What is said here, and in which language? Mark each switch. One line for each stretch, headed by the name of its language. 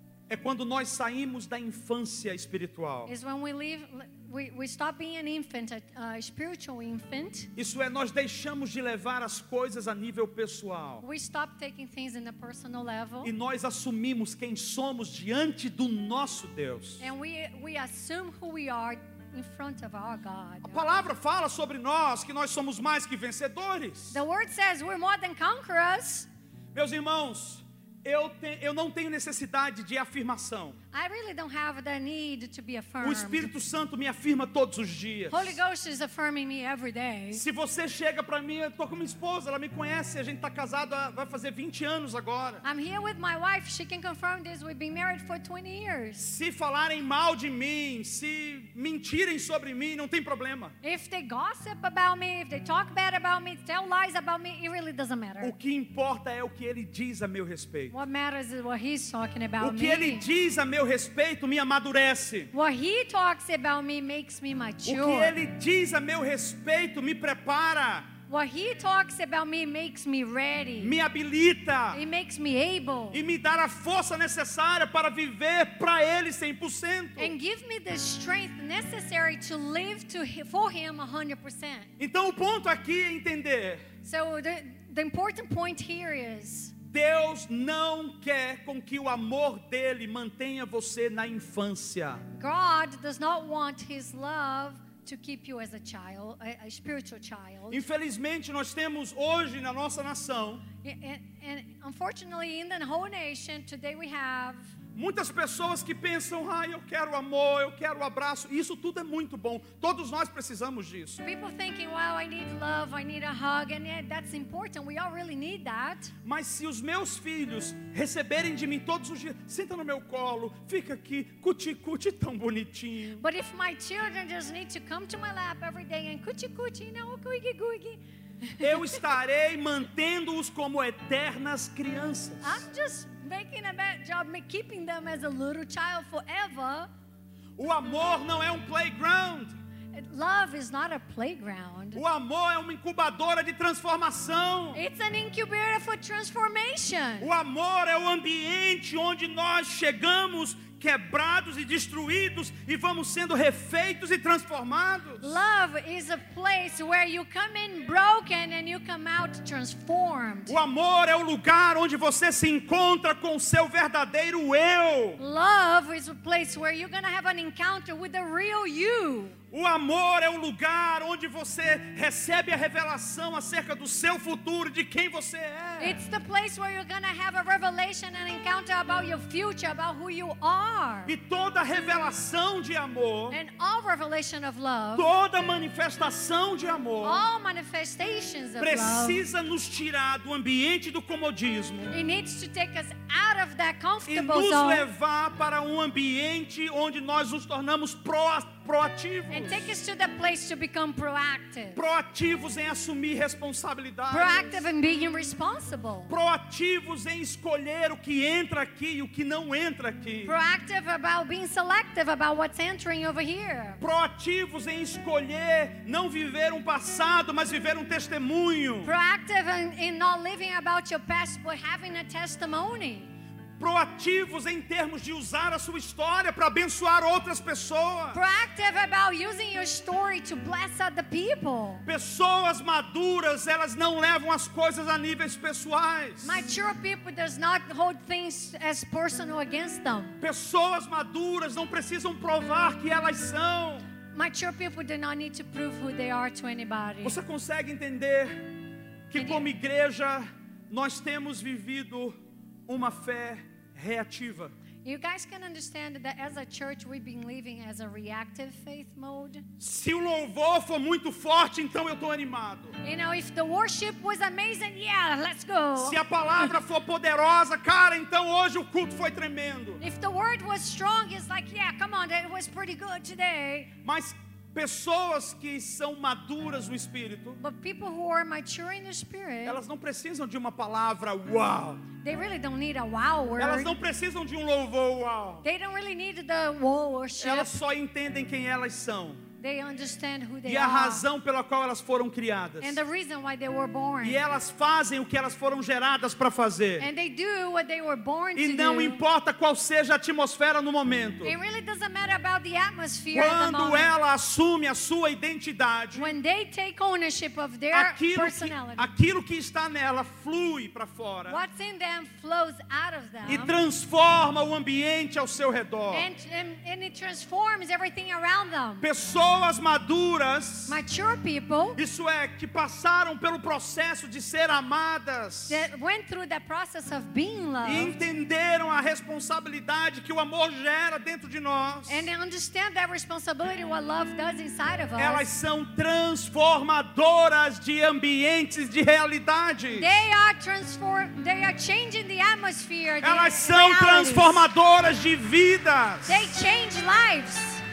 Portuguese: é quando nós saímos da infância espiritual.
English: Is when we stop being an infant, a spiritual infant.
Portuguese: Isso é, nós deixamos de levar as coisas a nível pessoal.
English: We stop taking things in a personal level.
Portuguese: E nós assumimos quem somos diante do nosso Deus.
English: And we assume who we are. In front of our God.
Portuguese: A palavra fala sobre nós que nós somos mais que vencedores.
English: The word says we're more than conquerors.
Portuguese: Meus irmãos, eu não tenho necessidade de afirmação.
English: I really don't have the need to be affirmed.
Portuguese: O Espírito Santo me afirma todos os dias.
English: Holy Ghost is affirming me every day.
Portuguese: Se você chega para mim, eu tô com minha esposa, ela me conhece, a gente tá casado, vai fazer 20 anos agora.
English: I'm here with my wife, she can confirm this, we've been married for 20 years.
Portuguese: Se falarem mal de mim, se mentirem sobre mim, não tem problema.
English: If they gossip about me, if they talk bad about me, tell lies about me, it really doesn't matter.
Portuguese: O que importa é o que ele diz a meu respeito.
English: What matters is what he's talking about
Portuguese: me. O que ele diz a meu respeito me amadurece.
English: What he talks about me makes me mature.
Portuguese: O que ele diz a meu respeito me prepara.
English: What he talks about me makes me ready.
Portuguese: Me habilita.
English: He makes me able.
Portuguese: E me dá a força necessária para viver para ele 100%.
English: And give me the strength necessary to live to for him 100%.
Portuguese: Então o ponto aqui é entender.
English: So the important point here is
Portuguese: Deus não quer com que o amor dele mantenha você na infância.
English: God does not want his love to keep you as a child, a spiritual child.
Portuguese: Infelizmente, nós temos hoje na nossa nação,
English: and unfortunately in the whole nation today we have
Portuguese: muitas pessoas que pensam, ah, eu quero o amor, eu quero o abraço. Isso tudo é muito bom. Todos nós precisamos disso.
English: People thinking, well, I need love, I need a hug, and yeah, that's important. We all really need that.
Portuguese: Mas se os meus filhos receberem de mim todos os dias, senta no meu colo, fica aqui, cuti-cuti, tão bonitinho.
English: But if my children just need to come to my lap every day and cuti-cuti, you know, guigui-guigui.
Portuguese: Eu estarei mantendo-os como eternas crianças.
English: I'm just making a bad job, keeping them as a little child forever.
Portuguese: O amor não é playground.
English: Love is not a playground.
Portuguese: O amor é incubadora de transformação.
English: It's an incubator for transformation.
Portuguese: O amor é o ambiente onde nós chegamos quebrados e destruídos e vamos sendo refeitos e transformados.
English: Love is a place where you come in broken and you come out transformed.
Portuguese: O amor é o lugar onde você se encontra com o seu verdadeiro eu.
English: Love is a place where you're going to have an encounter with the real you.
Portuguese: O amor é o lugar onde você recebe a revelação acerca do seu futuro, de quem você é.
English: It's the place where you're going to have a revelation and encounter about your future, about who you are.
Portuguese: E toda revelação de amor,
English: and all revelation of love,
Portuguese: toda manifestação de amor,
English: all manifestations of
Portuguese: precisa
English: love,
Portuguese: nos tirar do ambiente do comodismo.
English: It needs to take us out of that comfortable zone.
Portuguese: E nos levar para ambiente onde nós nos tornamos proativos.
English: And take us to the place to become proactive.
Portuguese: Proativos em assumir responsabilidades.
English: Proactive in being responsible.
Portuguese: Proativos em escolher o que entra aqui e o que não entra aqui.
English: Proactive about being selective about what's entering over here.
Portuguese: Proativos em escolher não viver passado, mas viver testemunho.
English: Proactive in not living about your past but having a testimony.
Portuguese: Proativos em termos de usar a sua história para abençoar outras pessoas.
English: Proactive about using your story to bless other people.
Portuguese: Pessoas maduras, elas não levam as coisas a níveis pessoais.
English: Mature people does not hold things as personal against them.
Portuguese: Pessoas maduras não precisam provar que elas são.
English: Mature people do not need to prove who they are to anybody.
Portuguese: Você consegue entender que como igreja nós temos vivido uma fé reativa.
English: You guys can understand that as a church we've been living as a reactive faith mode.
Portuguese: Se o louvor for muito forte, então eu tô animado.
English: You know, if the worship was amazing, yeah, let's go.
Portuguese: Se a palavra for poderosa, cara, então hoje o culto foi tremendo.
English: If the word was strong, it's like, yeah, come on, it was pretty good today.
Portuguese: Mas pessoas que são maduras no espírito,
English: but people who are mature in the spirit,
Portuguese: elas não precisam de uma palavra wow.
English: They really don't need a wow word.
Portuguese: Elas não precisam de louvor wow.
English: They don't really need the wow worship.
Portuguese: Elas só entendem quem elas são.
English: They understand who they
Portuguese: e a razão pela qual elas foram criadas.
English: And the reason why they were born.
Portuguese: E elas fazem o que elas foram geradas para fazer.
English: And they do what they were born
Portuguese: e
English: to
Portuguese: não
English: do.
Portuguese: Importa qual seja a atmosfera no momento.
English: It really doesn't matter about the atmosphere.
Portuguese: Quando
English: the moment,
Portuguese: ela assume a sua identidade,
English: when they take ownership of their personality,
Portuguese: aquilo que está nela flui para fora.
English: What's in them flows out of them.
Portuguese: E transforma o ambiente ao seu redor.
English: And it transforms everything around them.
Portuguese: Pessoas maduras,
English: mature people,
Portuguese: isso é, que passaram pelo processo de ser amadas,
English: that went through the process of being loved,
Portuguese: e entenderam a responsabilidade que o amor gera dentro de nós,
English: and they understand that responsibility what love does inside of us,
Portuguese: elas são transformadoras de ambientes de realidade.
English: They are changing the atmosphere.
Portuguese: Elas
English: the
Portuguese: são
English: realities.
Portuguese: Transformadoras de vidas.
English: They change lives.